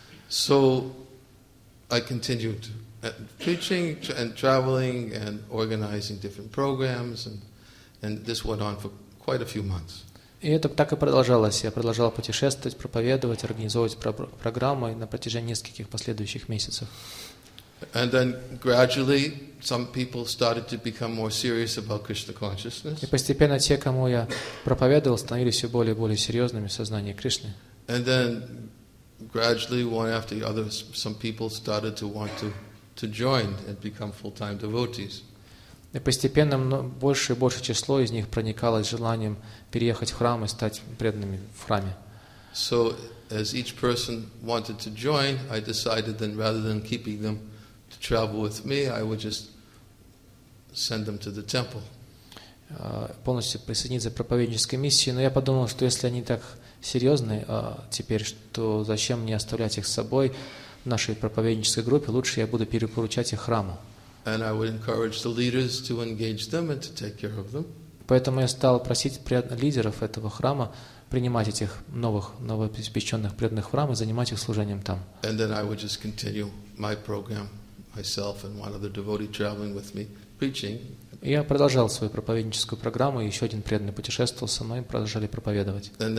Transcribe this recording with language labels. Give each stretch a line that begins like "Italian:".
English: So I continued preaching and traveling and organizing different programs, and this went on for quite a few months.
Russian: И это так и продолжалось. Я продолжал путешествовать, проповедовать, организовывать программы на протяжении нескольких последующих месяцев.
English: And then gradually some people started to become more serious about Krishna consciousness.
Russian: И постепенно те, кому я проповедовал, становились все более и более серьезными в сознании Кришны.
English: And then gradually one after the other some people started to want to join and become full-time devotees.
Russian: И постепенно больше и больше число из них проникалось желанием переехать в храм и стать преданными в храме.
English: So as each person wanted to join, I decided then rather than keeping them to travel with me, I would just send them to the temple.
Russian: Полностью присоединиться к проповеднической миссии, но я подумал, что если они так серьезные теперь, что зачем мне оставлять их с собой в нашей проповеднической группе, лучше я буду перепоручать их храму.
English: And I would encourage the leaders to engage them and to take care of them.
Russian: Поэтому я стал просить лидеров этого храма принимать этих новоиспеченных преданных в храм и занимать их служением там.
English: And then I would just continue my program, myself and one other devotee traveling with me, preaching.
Russian: Я продолжал свою проповедническую программу, и еще один преданный путешествовал со мной, продолжали проповедовать.